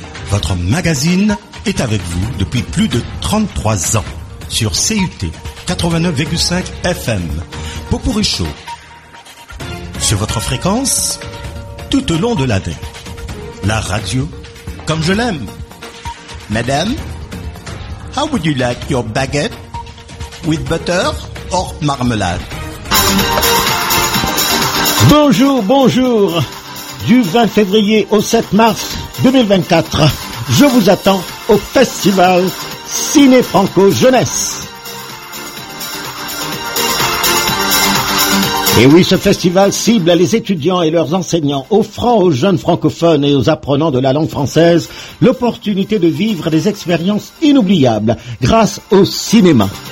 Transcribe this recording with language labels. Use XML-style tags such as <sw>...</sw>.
<fr>Votre magazine est avec vous depuis plus de 33 ans. Sur CUT 89,5 FM, Popourri Show, sur votre fréquence, tout au long de l'année, la radio, comme je l'aime.</fr> <en>Madame, how would you like your baguette, with butter or marmalade?</en> <fr>Bonjour, bonjour. Du 20 février au 7 mars 2024, je vous attends au Festival Ciné Franco Jeunesse. Et oui, ce festival cible les étudiants et leurs enseignants, offrant aux jeunes francophones et aux apprenants de la langue française l'opportunité de vivre des expériences inoubliables grâce au cinéma.</fr>